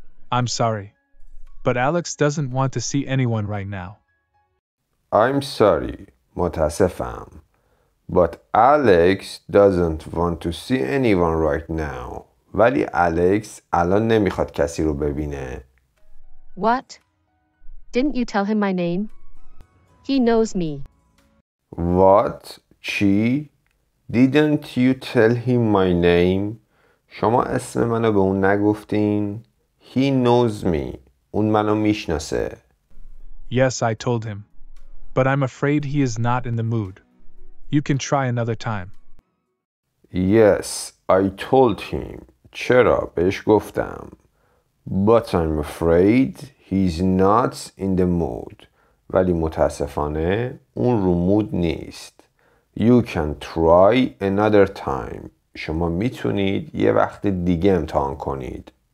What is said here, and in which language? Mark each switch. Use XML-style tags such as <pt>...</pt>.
<en>I'm sorry, but Alex doesn't want to see anyone right now. I'm sorry,</en> <fa>متاسفم.</fa> <en>But Alex doesn't want to see anyone right now.</en> <fa>ولی الکس الان نمیخواد کسی رو ببینه.</fa> <en>What? Didn't you tell him my name? He knows me. What?</en> <fa>چی?</fa> <en>Didn't you tell him my name?</en> <fa>شما اسم منو به اون نگفتین؟</fa> <en>He knows me.</en> <fa>اون منو میشناسه.</fa> <en>Yes, I told him. But I'm afraid he is not in the mood. You can try another time. Yes, I told him.</en> <fa>چرا؟ بهش گفتم.</fa> <en>But I'm afraid he's not in the mood.</en> <fa>ولی متاسفانه اون رو مود نیست.</fa> <en>You can try another time.</en> <fa>شما میتونید یه وقت دیگه امتحان کنید.</fa>